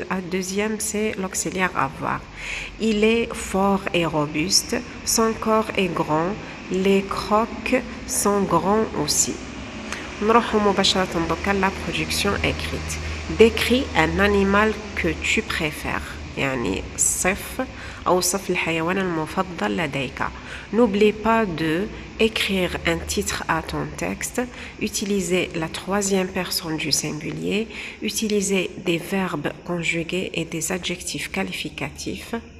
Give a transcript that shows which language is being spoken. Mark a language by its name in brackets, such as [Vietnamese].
[French] La deuxième, c'est l'auxiliaire avoir. Il est fort et robuste. Son corps est grand. Les crocs sont grands aussi. La production écrite. Décris un animal que tu préfères. [Arabic] يعني صف أو صف الحيوان المفضل لديك. [French] N'oublie pas de écrire un titre à ton texte. Utilisez la troisième personne du singulier. Utilisez des verbes conjugués et des adjectifs qualificatifs.